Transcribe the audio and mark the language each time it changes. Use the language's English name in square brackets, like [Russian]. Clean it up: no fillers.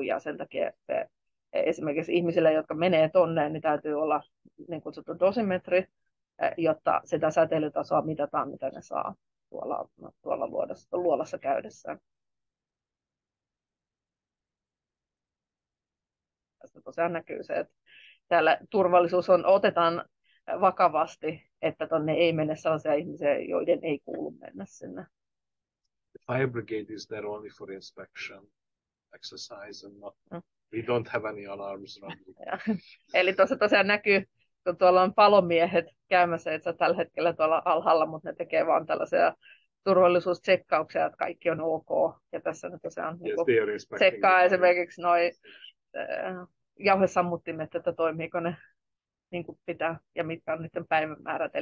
[Finnish] Ja sen takia että esimerkiksi ihmisille, jotka menee tonne, niin täytyy olla niin kutsuttu dosimetri, jotta sitä säteilytasoa mitataan, mitä ne saa tuolla luolassa käydessään. Tässä tosiaan näkyy se, että täällä turvallisuus otetaan vakavasti, että tuonne ei mene sellaisia ihmisiä, joiden ei kuulu mennä sinne. [English] The fire brigade is there only for inspection, exercise and not. We don't have any alarms running. [Finnish] Eli tuossa tosiaan näkyy, kun tuolla on palomiehet käymässä itse tällä hetkellä tuolla alhaalla, mutta ne tekee vaan tällaisia turvallisuustsekkauksia, että kaikki on ok. Ja tässä nyt tosiaan [English] yes, [Finnish] tsekkaa esimerkiksi noi jauhesammuttimet, että toimiiko ne niin kuin pitää ja mitkä on niiden päivämäärät.